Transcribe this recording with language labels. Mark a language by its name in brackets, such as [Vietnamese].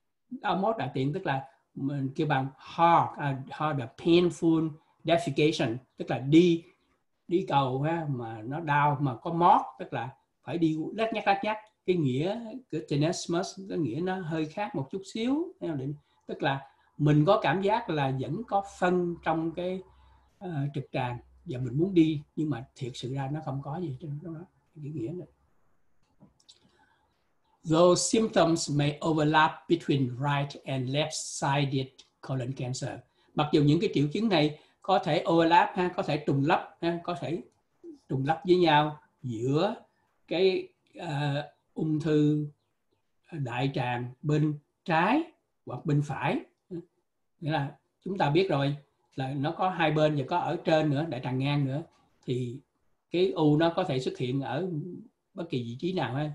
[Vietnamese] Đau mót đại tiện tức là mình kêu bằng [English] hard the painful defecation, [Vietnamese] tức là đi cầu ha, mà nó đau mà có mót, tức là phải đi lắc nhắc. Cái nghĩa của tenesmus có nghĩa nó hơi khác một chút xíu, tức là mình có cảm giác là vẫn có phân trong cái trực tràng và mình muốn đi, nhưng mà thiệt sự ra nó không có gì trên đó, cái nghĩa này. [English] Those symptoms may overlap between right and left-sided colon cancer. [Vietnamese] Mặc dù những cái triệu chứng này có thể overlap, ha, có thể trùng lắp, ha, có thể trùng lắp với nhau giữa cái ung thư đại tràng bên trái hoặc bên phải. Nghĩa là chúng ta biết rồi là nó có hai bên và có ở trên nữa, đại tràng ngang nữa, thì cái u nó có thể xuất hiện ở bất kỳ vị trí nào, ha.